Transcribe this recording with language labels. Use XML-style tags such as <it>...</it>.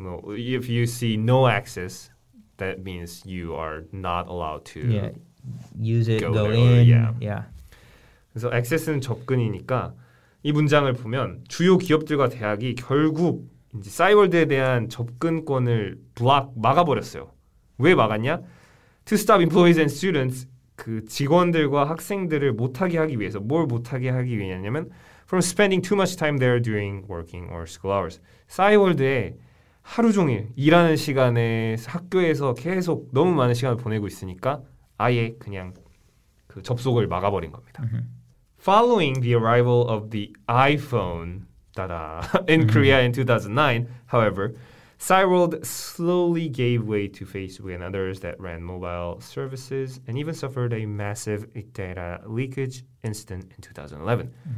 <en>If you see no access, that means you are not allowed to use it, go in. Yeah.</en> <ko>그래서 access는 접근이니까 이 문장을 보면 주요 기업들과 대학이 결국 이제 사이월드에 대한 접근권을 block 막아버렸어요. 왜 막았냐?</ko> <en>To stop employees and students,</en> <ko>그 직원들과 학생들을 못하게 하기 위해서 뭘 못하게 하기 위냐면</ko> <en>from spending too much time there during working or school hours.</en> <ko>사이월드에 하루 종일 일하는 시간에 학교에서 계속 너무 많은 시간을 보내고 있으니까 아예 그냥 그 접속을 막아버린 겁니다.</ko> <en>Following the arrival of the iPhone in Korea in 2009, however, Cyworld slowly gave way to Facebook and others that ran mobile services and even suffered a massive data leakage incident in 2011.</en>